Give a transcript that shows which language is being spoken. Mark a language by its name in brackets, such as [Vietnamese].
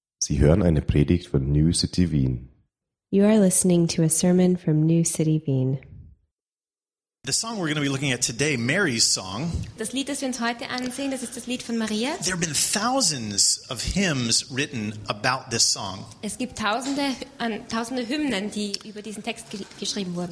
[German] Sie hören eine Predigt von New City Wien. [English] You are listening to a sermon from New City Wien. The song we're going to be looking at today, Mary's song. [German] Das Lied, das wir uns heute ansehen, das ist das Lied von Maria. [English] There have been thousands of hymns written about this song. [German] Es gibt tausende Hymnen, die über diesen Text geschrieben wurden.